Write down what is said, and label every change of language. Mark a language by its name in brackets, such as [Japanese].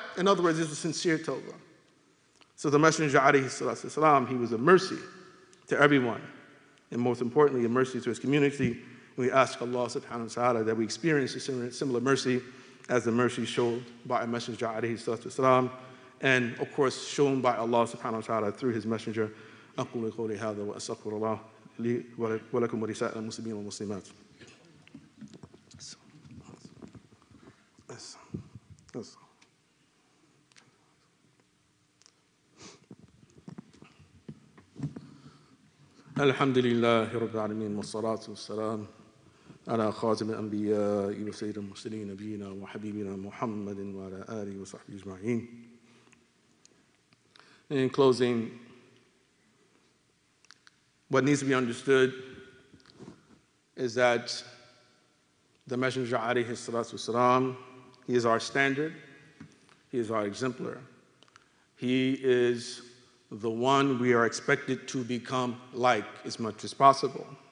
[English] In other words, it's a sincere tawbah. So the Messenger alayhi salatu wa salam, he was a mercy to everyone. And most importantly, a mercy to his community. We ask Allah subhanahu wa ta'ala that we experience a similar mercy as the mercy shown by our Messenger alayhi salatu wa salam. And of course, shown by Allah subhanahu wa ta'ala through his Messenger. [Arabic] أَقُولُ قَوْلِ هَذَا وَأَسْتَغْفِرُ اللَّهُ لِي وَلَكُمْ وَلِسَائِرِ الْمُسْلِمِينَ وَالْمُسْلِمَاتِ الحمد لله رب العالمين والصلاة والسلام على خاتم الأنبياء وسيد المرسلين نبينا وحبيبنا محمد وعلى آله وصحبه أجمعين. [English] In closing, what needs to be understood is that the Messenger alayhi salatu wasalam, he is our standard, he is our exemplar. He is the one we are expected to become like as much as possible.